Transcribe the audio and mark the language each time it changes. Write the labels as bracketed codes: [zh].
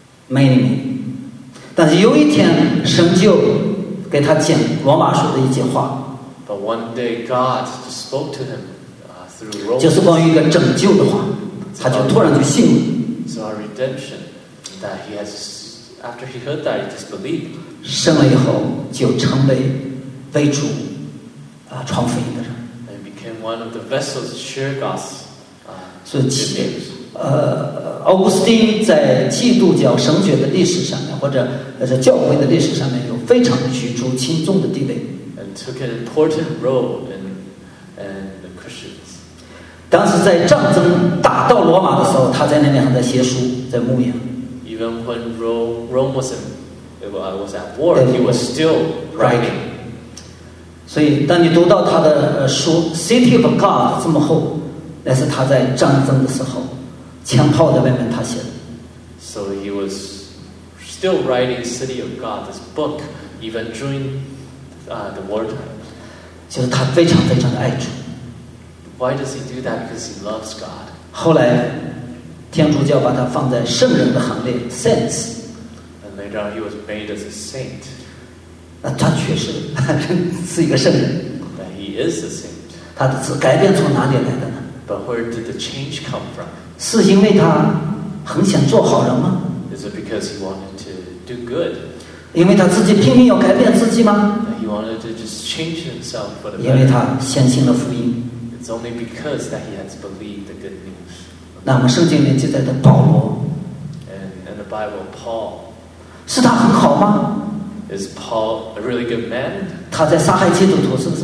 [en] Many, many. [zh] 但是有一天神就给他讲罗马书的一句话。 [en] But one day God spoke to him, through Romans. [zh] 就是关于一个拯救的话，他就突然就信了。 [en] So our redemption that he has, after he heard that, he just believed. [zh] 生了以后就成为为主传福音的人。 [en] And became one of the vessels to share God's, good news. [zh] 奥古斯丁在基督教神学的历史上面，或者在教会的历史上面，有非常举足轻重的地位。 [en] And took an important role in the Christians. [zh] 当时在战争打到罗马的时候，他在那边还在写书，在牧养。 [en] Even when Rome was at war, he was still writing. [zh] 所以，当你读到他的书《City of God》这么厚，那是他在战争的时候。枪炮在外面，他写的。 [en] So he was still writing City of God, this book, even during the war times. [zh] 就是他非常非常的爱主。 [en] Why does he do that? Because he loves God. [zh] 后来，天主教把他放在圣人的行列 ，saints. [en] And later on, he was made as a saint. [zh] 那他确实是一个圣人。 [en] That he is a saint. [zh] 他的改变从哪里来的呢 [en] ？But where did the change come from? [zh] 是因为他很想做好人吗 [en] ？Is it because he wanted to do good？ [zh] 因为他自己拼命要改变自己吗 [en] ？He wanted to just change himself for the better。 [zh] 因为他相信了福音。 [en] It's only because that he has believed the good news。 [zh] 那么圣经里记载的保罗 [en] ，And the Bible Paul， [zh] 是他很好吗 [en] ？Is Paul a really good man？ [zh] 他在杀害基督徒是不是